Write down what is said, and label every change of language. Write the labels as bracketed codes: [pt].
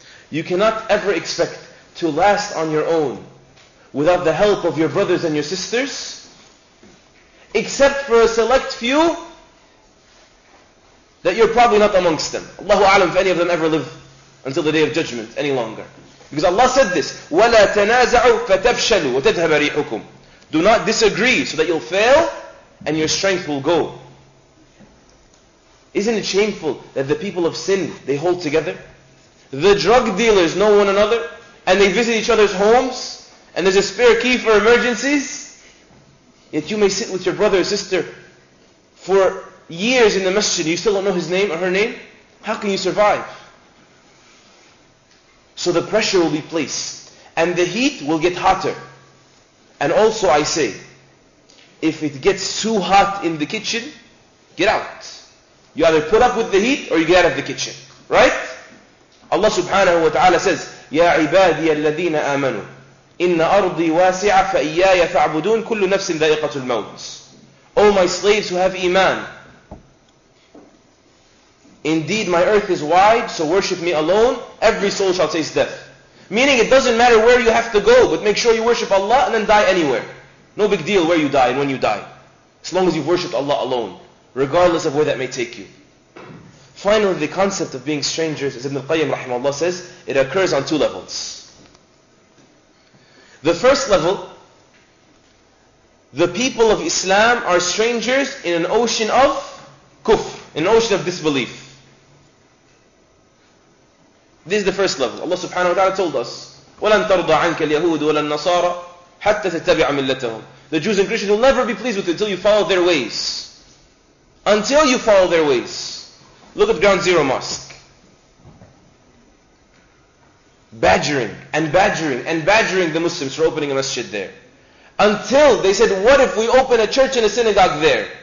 [en] You cannot ever expect to last on your own without the help of your brothers and your sisters, except for a select few that you're probably not amongst them. Allahu a'lam if any of them ever live until the day of judgment any longer. Because Allah said this, [ar] وَلَا تَنَازَعُوا فَتَفْشَلُوا وَتَذْهَبَ رِيحُكُمْ. [en] Do not disagree so that you'll fail and your strength will go. Isn't it shameful that the people of sin, they hold together? The drug dealers know one another and they visit each other's homes and there's a spare key for emergencies. Yet you may sit with your brother or sister for years in the masjid and you still don't know his name or her name. How can you survive? So the pressure will be placed and the heat will get hotter. And also I say, if it gets too hot in the kitchen, get out. You either put up with the heat or you get out of the kitchen. Right? Allah subhanahu wa ta'ala says, [ar] يَا عِبَادِيَ الَّذِينَ آمَنُوا إِنَّ أَرْضِي وَاسِعَةً فَإِيَّايَ فَاعْبُدُونَ كُلُّ نَفْسٍ ذَائِقَةُ الْمَوْتِ. [en] O my slaves who have iman, indeed my earth is wide, so worship me alone, every soul shall taste death. Meaning it doesn't matter where you have to go, but make sure you worship Allah and then die anywhere. No big deal where you die and when you die. As long as you've worshipped Allah alone, regardless of where that may take you. Finally, the concept of being strangers, as Ibn al-Qayyim rahimahullah says, it occurs on two levels. The first level, the people of Islam are strangers in an ocean of kufr, in an ocean of disbelief. This is the first level. Allah subhanahu wa ta'ala told us, [ar] وَلَنْ تَرْضَ عَنْكَ الْيَهُودُ وَلَا النَّصَارَى حَتَّى تَتَّبِعَ مِلَّتَهُمْ. [en] The Jews and Christians will never be pleased with it until you follow their ways. Until you follow their ways. Look at Ground Zero Mosque. Badgering and badgering and badgering the Muslims for opening a masjid there. Until they said, what if we open a church and a synagogue there?